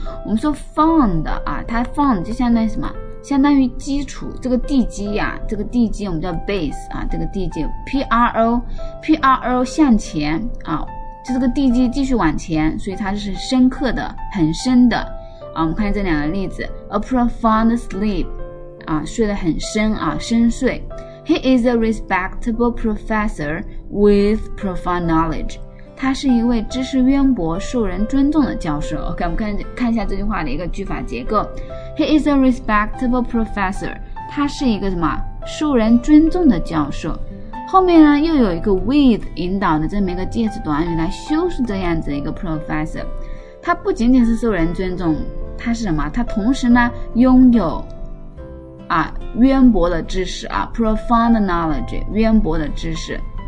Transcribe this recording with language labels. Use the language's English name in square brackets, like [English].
[Chinese] 我们说 found 啊，它 found 就相当于什么？相当于基础，这个地基呀、啊，这个地基我们叫 base 啊，这个地基 P-R-O 向前啊，就这个地基继续往前，所以它是深刻的，很深的啊。我们看这两个例子 ， A profound sleep 啊，睡得很深啊，深睡。 [English] He is a respectable professor with profound knowledge. [Chinese] 他是一位知识渊博、受人尊重的教授。 OK, 我们看一下这句话的一个句法结构。 [English] He is a respectable professor. [Chinese] 他是一个什么受人尊重的教授。后面呢又有一个 with 引导的这么一个介词短语来修饰这样子一个 professor. 他不仅仅是受人尊重，他是什么？他同时呢拥有啊渊博的知识啊 ， profound knowledge, 渊博的知识。